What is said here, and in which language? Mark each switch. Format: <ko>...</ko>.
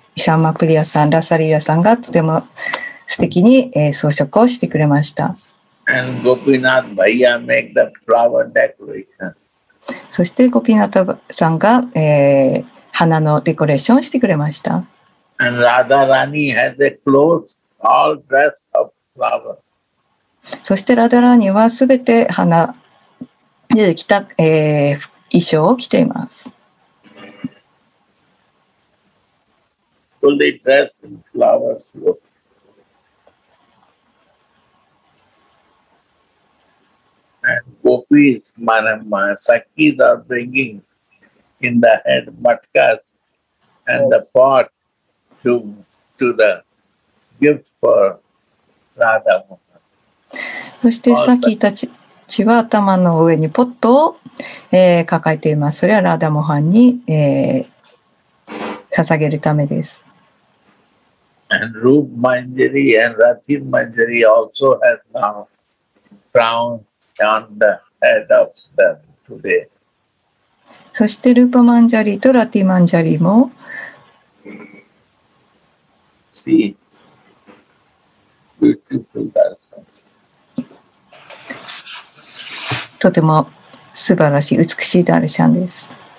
<ja>シャーマプリアさん、ラサリーラさんがとても素敵に、装飾をしてくれました。</ja> <en>And Gopinath Bhaiya make the flower decoration.</en> <ja>そしてゴピナタさんが、花のデコレーションをしてくれました。</ja> <en>And Radharani has a clothes all dressed of flowers.</en> <ja>そしてラダラーニはすべて花で着た、衣装を着ています。</ja> <en>Fully dressed in flowers. And gopis, manama, sakis are bringing in the head matkas and the pot to the gift for Radha.</en> <ja>そしてサキたちは頭の上にポットを、抱えています。それはラダモハンに、捧げるためです。</ja> <en>And Roop Manjari and Rathir Manjari also has now crown on the head of them today.</en> <ja>そしてルーパマンジャリとラティマンジャリも</ja> <en>See beautiful dancers.</en> <ja>とても素晴らしい、美しいダルシャンです。</ja>